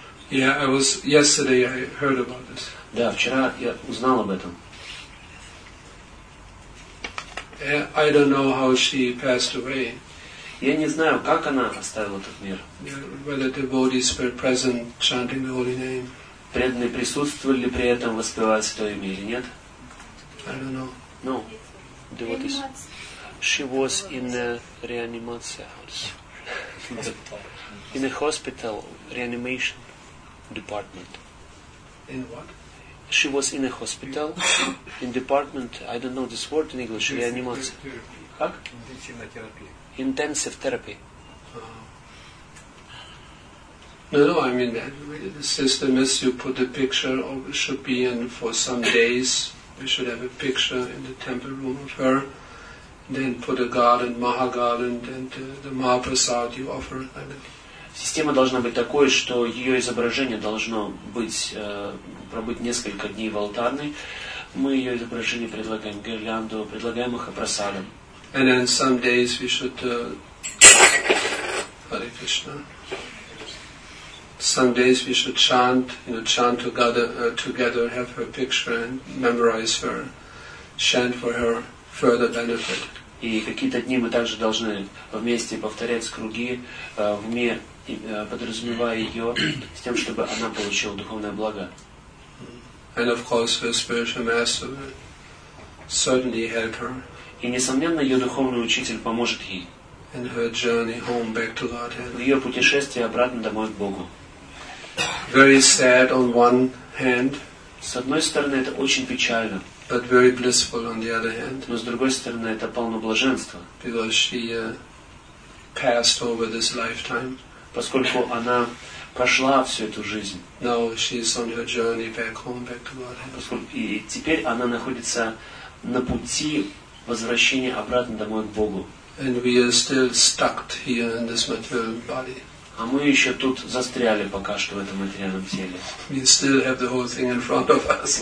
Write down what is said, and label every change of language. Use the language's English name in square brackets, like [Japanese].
[English] Yeah, I was yesterday. I heard about this. [Russian] Да, вчера я узнал об этом. [English] I don't know how she passed away. [Russian] Я не знаю, как она оставила этот мир. [English] Whether the devotees were present chanting the holy name. [Russian] Преданные присутствовали ли при этом воспевая святое имя или нет? [English] I don't know. No. Devotees. She was in a reanimation house. In a hospital reanimation department. In what? She was in a hospital, in department, I don't know this word in English, reanimация. [Russian] Как? Интенсивная терапия. [English] Intensive therapy. No, no, I mean, the system is you put a picture, or it should be in for some days, we should have a picture in the temple room of her, then put a garland, maha garland, and the mahaprasad you offer, I mean. [Russian] Система должна быть такой, что ее изображение должно быть, пробыть несколько дней в алтарной. Мы ее изображение предлагаем гирлянду, предлагаем их апрасадам. [English] And then some days we should Hare Krishna. Some days we should chant, you know, chant together, together, have her picture and memorize her, chant for her further benefit. [Russian] И какие-то дни мы также должны вместе повторять круги в уме, подразумевая ее с тем, чтобы она получила духовное благо. [English] And of course, her spiritual master will certainly help her. [Russian] И несомненно, ее духовный учитель поможет ей. [English] In her journey home back to Godhead. [Russian] В ее путешествии обратно домой к Богу. [English] Very sad on one hand. [Russian] С одной стороны, это очень печально. [English] But very blissful on the other hand. [Russian] Но с другой стороны, это полно блаженства. [English] Because she passed over this lifetime. [Russian] Поскольку она прошла всю эту жизнь. [English] Now she is on her journey back home, back to Godhead. [Russian] Поскольку, и теперь она находится на пути возвращения обратно домой к Богу. [English] And we are still stuck here in this material body. [Russian] А мы еще тут застряли пока что в этом материальном теле. [English] We still have the whole thing in front of us.